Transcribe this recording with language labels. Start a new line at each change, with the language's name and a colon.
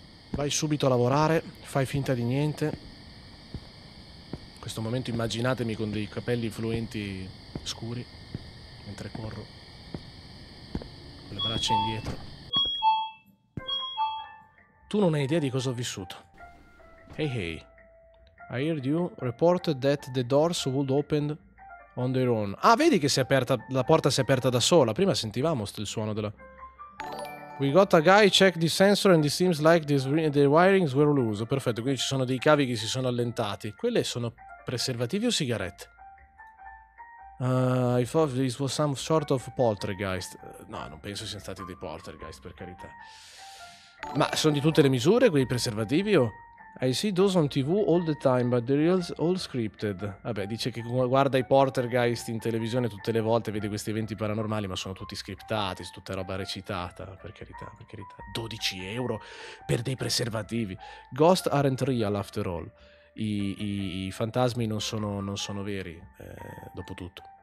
Italian: Vai subito a lavorare, fai finta di niente. In questo momento immaginatemi con dei capelli fluenti scuri, mentre corro, con le braccia indietro. Tu non hai idea di cosa ho vissuto.
English: Hey hey, I heard you reported that the doors would open on their own.
Italian: Ah, vedi che si è aperta, la porta si è aperta da sola. Prima sentivamo il suono della...
English: We got a guy check the sensor and it seems like the wirings were loose.
Italian: Perfetto, quindi ci sono dei cavi che si sono allentati. Quelle sono preservativi o sigarette?
English: I thought this was some sort of poltergeist.
Italian: No, non penso siano stati dei poltergeist, per carità. Ma sono di tutte le misure quei preservativi o...
English: I see those on TV all the time, but they're all scripted.
Italian: Vabbè, dice che guarda i poltergeist in televisione tutte le volte, vede questi eventi paranormali, ma sono tutti scriptati, tutta roba recitata, per carità, per carità. 12 euro per dei preservativi.
English: Ghosts aren't real, after all.
Italian: I fantasmi non sono veri, dopo tutto.